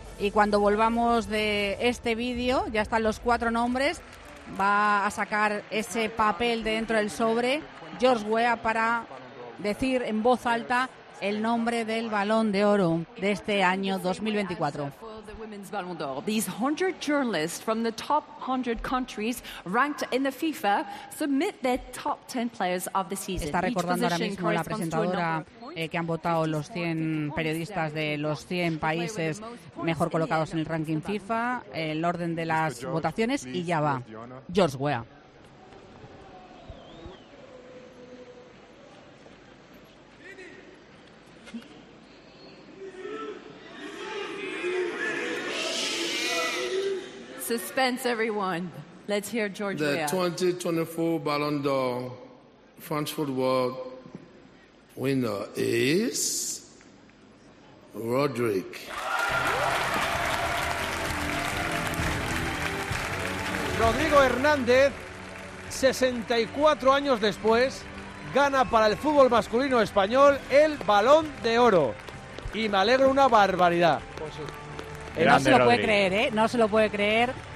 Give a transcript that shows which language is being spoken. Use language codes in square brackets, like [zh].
[es] Y cuando volvamos de este vídeo, ya están los cuatro nombres, va a sacar ese papel de dentro del sobre George Weah para decir en voz alta el nombre del Balón de Oro de este año 2024. [en] These 100 journalists from the top 100 countries ranked in the FIFA submit their top 10 players of the season. [es] Está recordando ahora mismo la presentadora que han votado los 100 periodistas de los 100 países mejor colocados en el ranking FIFA, el orden de las votaciones, y ya va George Weah. [en] Suspense, everyone. Let's hear George Weah. The 2024 Ballon d'Or French football winner is Rodrik. [es] Rodrigo Hernández, 64 años después, gana para el fútbol masculino español el Balón de Oro. Y me alegro una barbaridad. Pues sí. No se lo puede creer, ¿eh? No se lo puede creer.